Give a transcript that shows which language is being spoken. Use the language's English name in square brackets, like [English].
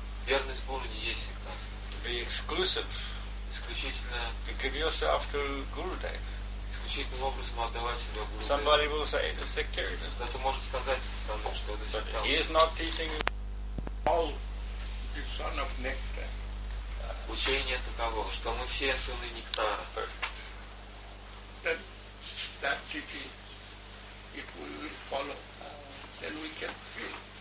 [Russian] Верность Богу не есть сектантство. [English] To be exclusive. To give yourself to Gurudev. [Russian] Исключительным образом отдавать себя Гурудеву. [English] Somebody will say it's a sectarianism. [Russian] Кто-то может сказать, что это сектантство. [English] But he is not teaching all the son of nectar. [Russian] Учение таково, что мы все сыны нектара. [English] That teaching, if we will follow, then we can feel.